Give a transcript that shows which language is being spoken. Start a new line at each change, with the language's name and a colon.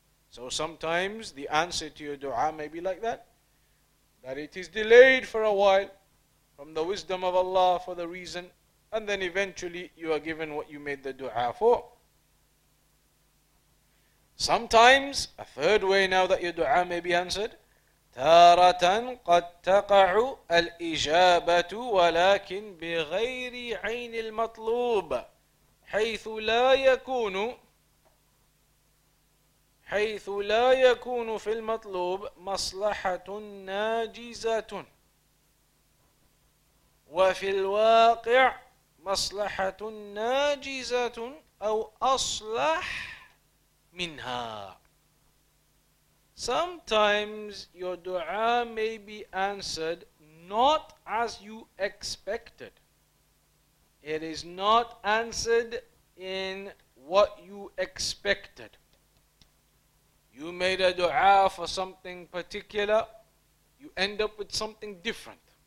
English: So sometimes the answer to your dua may be like that. That it is delayed for a while from the wisdom of Allah for the reason. And then eventually you are given what you made the dua for. Sometimes, a third way now that your dua may be answered,
Arabic: تارة قد تقع الإجابة ولكن بغير عين المطلوب حيث لا يكون في المطلوب مصلحة ناجزة وفي الواقع مصلحة ناجزة أو أصلح منها.
English: Sometimes your dua may be answered not as you expected. It is not answered in what you expected. You made a dua for something particular, you end up with something different.